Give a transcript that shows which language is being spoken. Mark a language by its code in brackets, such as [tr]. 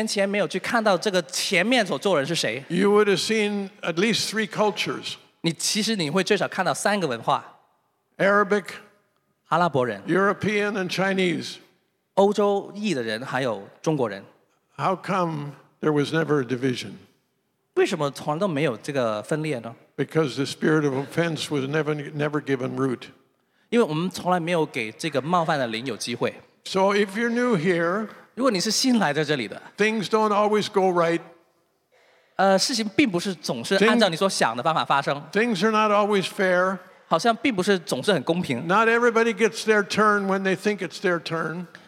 [zh] 如果你在十年前没有去看到这个前面所坐人是谁, [en] you would have seen at least three cultures. [zh] 其实你会最少看到三个文化。 [en] Arabic, [zh] 阿拉伯人, [en] European and Chinese. [zh] 欧洲裔的人还有中国人。 [en] How come there was never a division? [zh] 为什么从来都没有这个分裂呢? [en] Because the spirit of offense was never given root. [zh] 因为我们从来没有给这个冒犯的灵有机会。 [en] So if you're new here, [zh] 如果你是新来在这里的, [en] things don't always go right. [zh] 事情并不是总是按照你所想的方法发生。 [en] Things are not always fair. [zh] 好像并不是总是很公平。 [en] Not everybody gets their turn when they think it's their turn.